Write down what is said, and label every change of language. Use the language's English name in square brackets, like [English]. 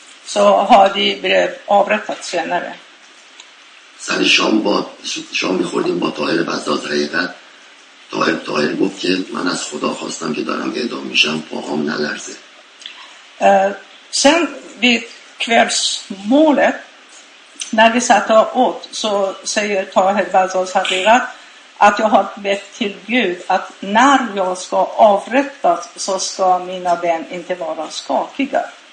[Swedish] Så Hadi blev avrättad senare. [Persian] سر شام با شام می‌خوردیم با طاهر بزداد حقیقت. طاهر گفت که من از خدا خواستم که دارم اعدام میشم پاهام نلرزه. [Swedish] Sen vid kvällsmålet när vi satt åt så säger Taher Bazaz Hadira att jag har bett till Gud att när jag ska avrättas så ska mina ben inte vara skakiga.